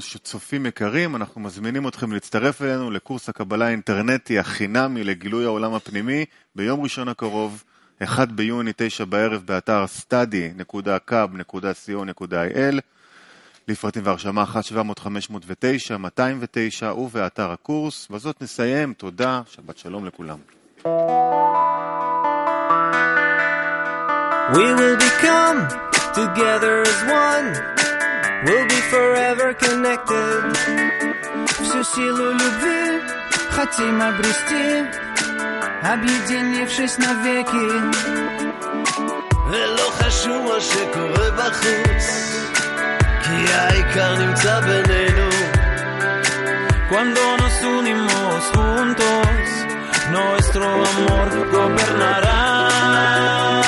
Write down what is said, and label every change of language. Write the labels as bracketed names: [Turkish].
[Hebrew] שצופים יקרים, אנחנו מזמינים אתכם להצטרף אלינו לקורס הקבלה האינטרנטי החינמי לגילוי העולם הפנימי ביום ראשון הקרוב, 1 ביוני 9 בערב, באתר study.cab.co.il. לפרטים והרשמה 1-700-509-209 ובאתר הקורס. וזאת נסיים, תודה, שבת שלום לכולם. [English] We will become together as one, we'll be forever connected. [Russian] Всесилу любви хотим обрести, объединившись навеки. [Hebrew] ולא חשוב מה שקורה בחוץ, כי העיקר נמצא בינינו. [Spanish] Cuando nos unimos juntos, nuestro amor gobernará.